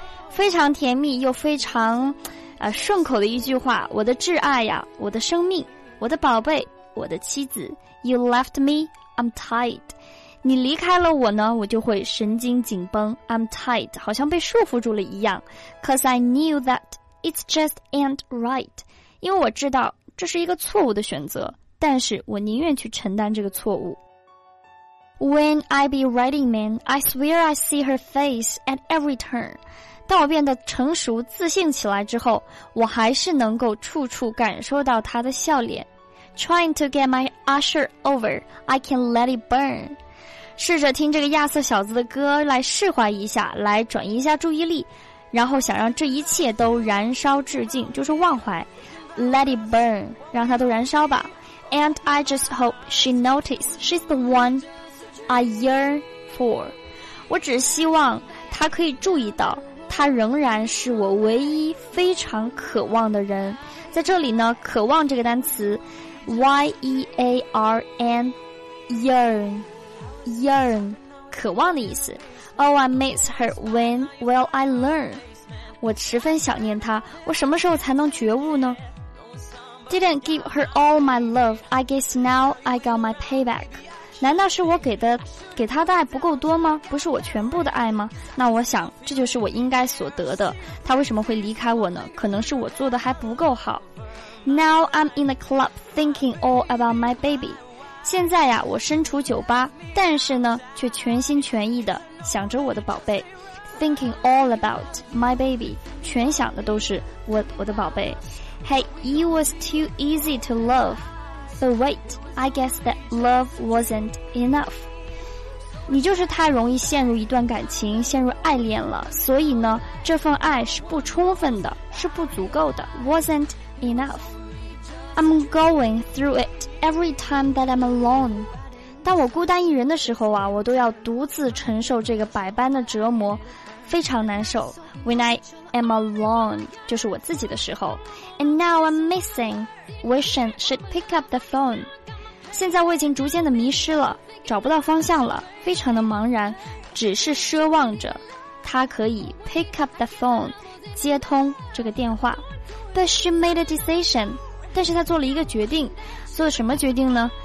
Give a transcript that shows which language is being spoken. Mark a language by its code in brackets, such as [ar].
[zh] 非常甜蜜又非常顺口的一句话。我的挚爱呀，我的生命，我的宝贝，我的妻子。 [en] You left me, I'm tight. [zh] 你离开了我呢，我就会神经紧绷。 [en] I'm tight, [zh] 好像被束缚住了一样。 [en] Cause I knew that it's just ain't right. [zh] 因为我知道这是一个错误的选择，但是我宁愿去承担这个错误。 [en] When I be writing, man, I swear I see her face at every turn. [zh] 当我变得成熟自信起来之后，我还是能够处处感受到她的笑脸。 [en] Trying to get my usher over, I can let it burn. [zh] 试着听这个亚瑟小子的歌来释怀一下，来转移一下注意力，然后想让这一切都燃烧至尽，就是忘怀。 [en] Let it burn, [zh] 让它都燃烧吧。 [en] And I just hope she notices she's the oneI yearn for. [zh] 我只希望他可以注意到他仍然是我唯一非常渴望的人。在这里呢，渴望这个单词 Y-E-A-R-N yearn yearn, 渴望的意思。 [en] Oh, I miss her, when will I learn? [zh] 我十分想念她，我什么时候才能觉悟呢？ [en] Didn't give her all my love, I guess now I got my payback. [zh] 难道是我给她的爱不够多吗？不是我全部的爱吗？那我想这就是我应该所得的。她为什么会离开我呢？可能是我做的还不够好。 [en] Now I'm in the club thinking all about my baby. [zh] 现在呀，我身处酒吧，但是呢，却全心全意的想着我的宝贝。 [en] Thinking all about my baby. [zh] 全想的都是我的宝贝。 [en] Hey, you was too easy to love. But wait, I guess that love wasn't enough. [zh] 你就是太容易陷入一段感情，陷入爱恋了，所以呢，这份爱是不充分的，是不足够的。 [en] Wasn't enough. I'm going through it every time that I'm alone. [zh] 当我孤单一人的时候啊，我都要独自承受这个百般的折磨，非常难受。 [en] When I am alone, [zh] 就是我自己的时候。 [en] And now I'm missing, wishing she'd pick up the phone. [zh] 现在我已经逐渐的迷失了，找不到方向了，非常的茫然，只是奢望着她可以 [en] pick up the phone, [zh] 接通这个电话。 [en] But she made a decision, [zh] 但是她做了一个决定，做了什么决定呢？